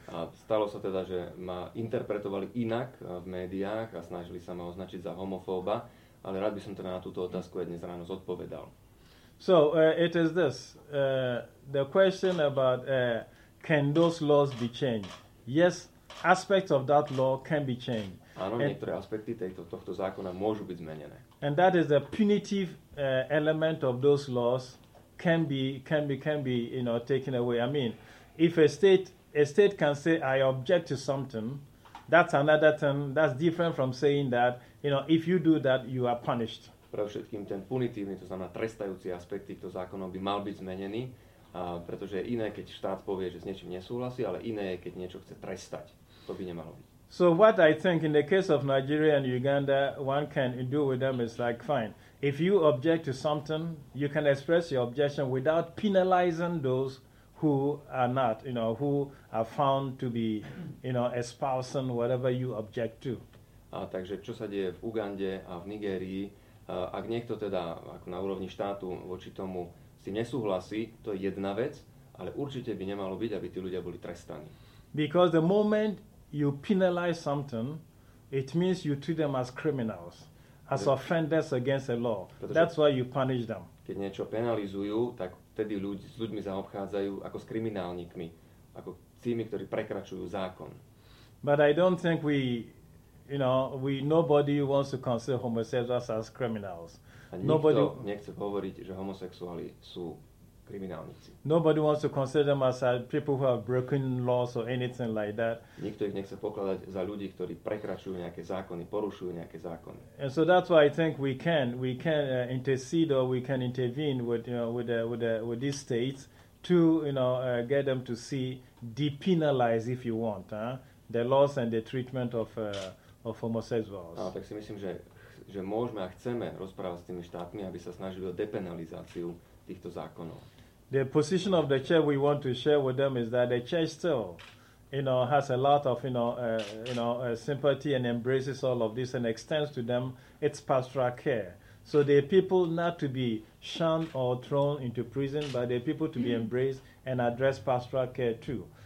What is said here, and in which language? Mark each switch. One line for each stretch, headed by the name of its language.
Slovak: A stalo sa teda, že ma interpretovali inak v médiách a snažili sa ma označiť za homofóba, ale rád by som teda na túto otázku dnes ráno zodpovedal.
English: So, it is this. The question about can those laws be changed? Yes, aspects of that law can be changed.
Slovak: Áno, niektoré aspekty tohto zákona môžu byť zmenené.
English: And that is the punitive element of those laws can be, you know, taken away. I mean, if a state can say I object to something, that's another thing. That's different from saying that, you know, if you do that, you are punished.
Slovak: Pre všetkým ten punitívny, to znamená trestajúci aspekt týchto zákonov by mal byť zmenený, pretože iné, keď štát povie, že s niečím nesúhlasí, ale iné je, keď niečo chce trestať. To by nemalo byť.
English: So what I think in the case of Nigeria and Uganda, one can do with them is like, fine, if you object to something, you can express your objection without penalizing those who are not, you know, who are found to be, you know, espousing whatever you object to.
Slovak: A takže čo sa deje v Ugande a v Nigérii, ak niekto teda ako na úrovni štátu voči tomu s tým nesúhlasí, to je jedna vec, ale určite by nemalo byť, aby tí ľudia boli trestaní.
English: Because the moment you penalize something, it means you treat them as criminals, as offenders against a law. That's why you punish them.
Slovak: Keď niečo penalizujú, tak vtedy ľudí s ľuďmi zaobchádzajú ako s kriminálnikmi, ako tými, ktorí prekračujú zákon.
English: But I don't think we you know, nobody wants to consider homosexuals as criminals. Nobody
Slovak: nechce hovoriť, že homosexuáli sú kriminálnici.
English: Nobody wants to consider them as people who have broken laws or anything like that.
Slovak: Nikto ich nechce pokladať za ľudí, ktorí prekračujú nejaké zákony, porušujú nejaké zákony.
English: And so that's why I think we can intercede or we can intervene with, you know, with these states to, you know, get them to see, depenalize if you want, the laws and the treatment of homosexuals.
Slovak: No, tak si myslím, že môžeme a chceme rozprávať s tými štátmi, aby sa snažili o depenalizáciu týchto zákonov.
English: The position of the church we want to share with them is that the church still, you know, has a lot of, sympathy and embraces all of this and extends to them its pastoral care. So the people not to be shunned or thrown into prison, but the people to be embraced and address pastoral care too.